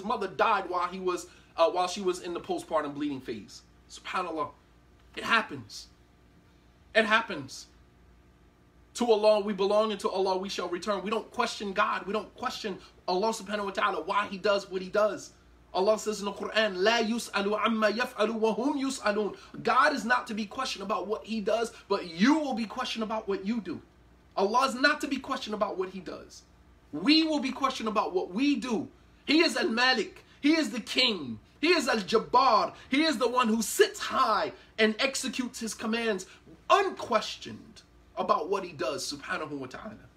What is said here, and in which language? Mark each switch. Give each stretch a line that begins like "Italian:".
English: His mother died while she was in the postpartum bleeding phase. SubhanAllah. It happens. It happens. To Allah we belong and to Allah we shall return. We don't question God. We don't question Allah subhanahu wa ta'ala why he does what he does. Allah says in the Quran,
Arabic: لا يسألوا عما يفعلوا وهم يسألون.
English: God is not to be questioned about what he does, but you will be questioned about what you do. Allah is not to be questioned about what he does. We will be questioned about what we do. He is Al-Malik. He is the king. He is Al-Jabbar. He is the one who sits high and executes his commands unquestioned about what he does, subhanahu wa ta'ala.